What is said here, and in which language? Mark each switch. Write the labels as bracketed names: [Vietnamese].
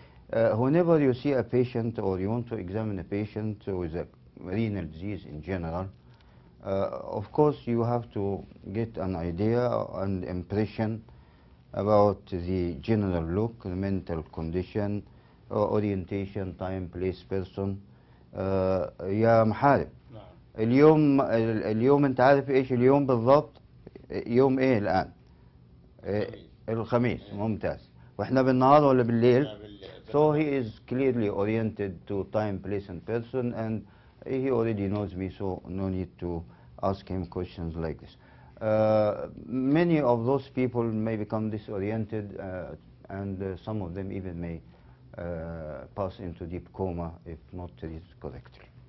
[English] Whenever you see a patient or you want to examine a patient with a renal disease in general, of course you have to get an idea and impression about the general look, the mental condition, orientation, time, place, person. [Arabic] يا محارب، اليوم اليوم انت عارف ايش اليوم بالضبط؟ يوم ايه الان؟ الخميس. ممتاز. واحنا بالنهار ولا بالليل؟ [English] So he is clearly oriented to time, place and person, and he already knows me, so no need to ask him questions like this. Many of those people may become disoriented, and some of them even may pass into deep coma if not treated correctly.